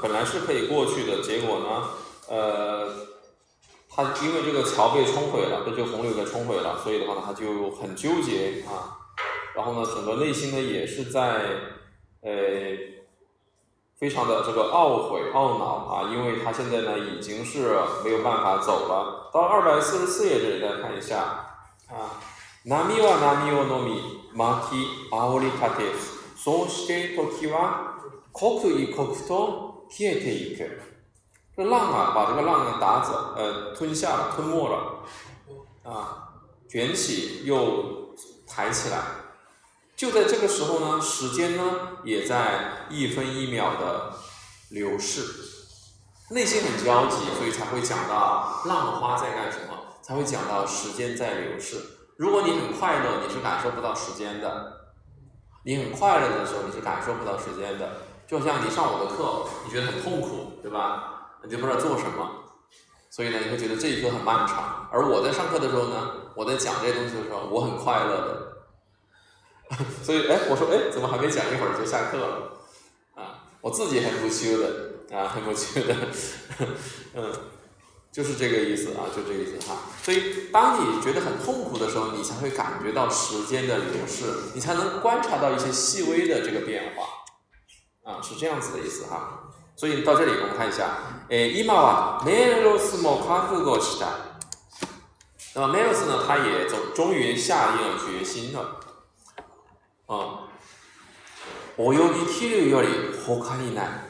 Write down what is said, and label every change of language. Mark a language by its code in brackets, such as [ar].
[zh] 本来是可以过去的，结果呢，它因为这个桥被冲毁了，被这个洪流给冲毁了，所以的话呢，它就很纠结啊。然后呢，整个内心呢也是在，非常的这个懊悔、懊恼啊，因为他现在呢已经是没有办法走了。到244页这里再看一下啊， [ja] 波は波を飲み、巻き煽り立て、そして時は刻一刻と消えていく。 [zh] 这浪啊，把这个浪打走，吞下了、吞没了，啊，卷起又抬起来。就在这个时候呢，时间呢也在一分一秒的流逝，内心很焦急，所以才会讲到浪花在干什么，才会讲到时间在流逝。如果你很快乐，你是感受不到时间的，你很快乐的时候你是感受不到时间的。就像你上我的课，你觉得很痛苦，对吧？你就不知道做什么，所以呢你会觉得这一课很漫长。而我在上课的时候呢，我在讲这些东西的时候，我很快乐的。所以哎，我说哎，怎么还没讲一会儿就下课了啊，我自己很不屈的啊，很不屈的。就是这个意思啊，就这个意思哈。所以当你觉得很痛苦的时候，你才会感觉到时间的流逝，你才能观察到一些细微的这个变化啊，是这样子的意思哈。所以到这里我们看一下，哎， [ja] 今はメロスも覚悟した。 [zh] 那么メロス呢，他也终于下定了决心了。 [ja] 泳ぎ切るより他にない。